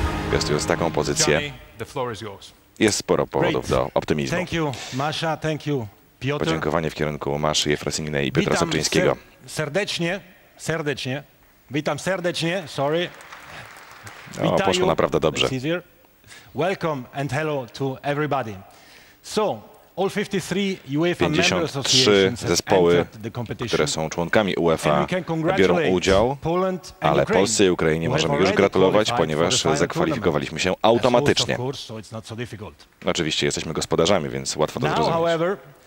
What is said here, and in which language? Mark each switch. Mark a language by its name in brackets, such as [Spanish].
[Polish] Gestując taką pozycję, jest sporo powodów do optymizmu. [English] Thank you, Masha, thank you, Piotr. [Polish] Podziękowanie w kierunku Maszy Jefrosininej i Piotra Sobczyńskiego. Serdecznie. Witam serdecznie, sorry. No, poszło naprawdę dobrze. [English] Welcome and hello to everybody. So, all 53 UEFA [Polish] 53 zespoły, które są członkami UEFA, biorą udział, ale Polsce i Ukrainie możemy już gratulować, ponieważ zakwalifikowaliśmy się automatycznie. Oczywiście jesteśmy gospodarzami, więc łatwo to zrozumieć.